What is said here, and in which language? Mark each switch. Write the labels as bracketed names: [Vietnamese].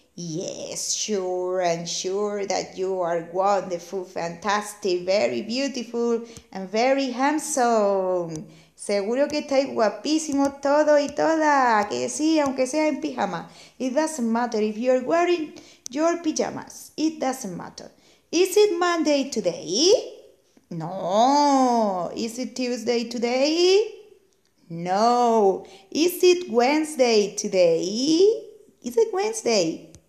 [English] Yes, sure, I'm sure that you are wonderful, fantastic, very beautiful, and very handsome. [Spanish] Seguro que estáis guapísimos todos y todas, que sí, aunque sea en pijama. [English] It doesn't matter if you're wearing your pijamas. It doesn't matter. Is it Monday today? No. Is it Tuesday today? No. Is it Wednesday today? Is it Wednesday?